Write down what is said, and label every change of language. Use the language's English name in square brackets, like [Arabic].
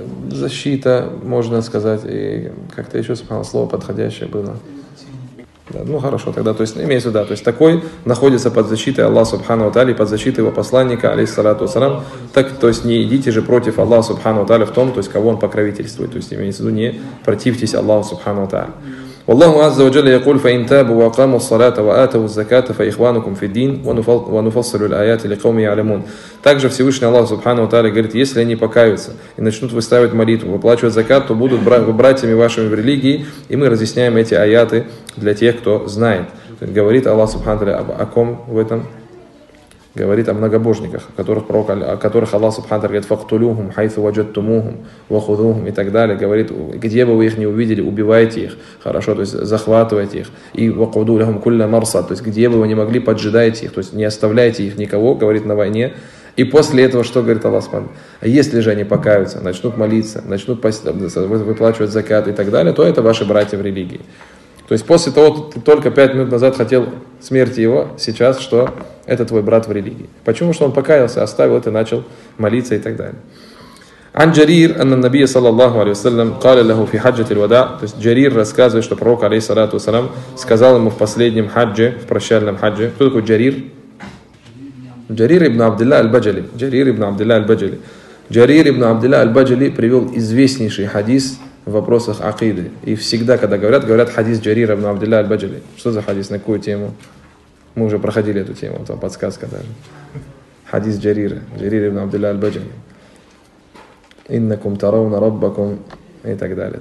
[Russian] Защита, можно сказать, и как-то еще вспомнил слово подходящее было. Да, ну хорошо, тогда, то есть, имеется, да, то есть такой находится под защитой Аллаха Субхану Тали, под защитой его посланника, [Arabic] алейхиссалату ассалам. [Russian] Так, то есть, не идите же против Аллаха Субхану Тали в том, то есть, кого он покровительствует. То есть, имеется в виду, не противьтесь Аллаху Субхану Тали. [Arabic] والله عز وجل يقول فإن تابوا وقاموا الصلاة وآتوا الزكاة فإخوانكم في الدين ونفصل الآيات لقوم يعلمون. [Russian] Также Всевышний Аллах Субхану ва Тааля говорит, если они покаются и начнут выставить молитву, выплачивать закат, то будут братьями вашими в религии, и мы разъясняем эти аяты для тех, кто знает. Говорит Аллах Субхану ва Тааля о ком в этом? Говорит о многобожниках, о которых Аллах Субхану ва Тааля говорит: [Arabic] «Фактулюхум хайсу ваджадтумухум вахузухум» [Russian] и так далее. Говорит, где бы вы их не увидели, убивайте их, хорошо, то есть захватывайте их. И [Arabic] вакуду лахум кулля марсад, [Russian] то есть где бы вы не могли, поджидайте их, то есть не оставляйте их никого, говорит, на войне. И после этого что говорит Аллах Субхану ва Тааля? Если же они покаются, начнут молиться, начнут выплачивать закат и так далее, то это ваши братья в религии. То есть после того, ты только 5 минут назад хотел смерти его, сейчас что? Это твой брат в религии. Почему? Что он покаялся, оставил это, начал молиться и так далее. [Arabic] عن جرير أن النبي صلى الله عليه وسلم قال له في حجة الوداع. [Russian] То есть جرير рассказывает, что пророк [Arabic] عليه الصلاة والسلام [Russian] сказал ему в последнем хадже, в прощальном хадже. Кто такой جرير? [Arabic] جرير ابن عبد الله البجلي. جرير ابن عبد الله البجلي. [Russian] جرير ابن عبد الله البجلي привел известнейший хадис в вопросах акиды. И всегда, когда говорят хадис Джарира ибн Абдилла аль-Баджали. Что за хадис? На какую тему? Мы уже проходили эту тему, там подсказка даже. Хадис Джарира. Джарира ибн Абдилла аль-Баджали. [Arabic] «Иннакум таравна раббакум» [Russian] и так далее.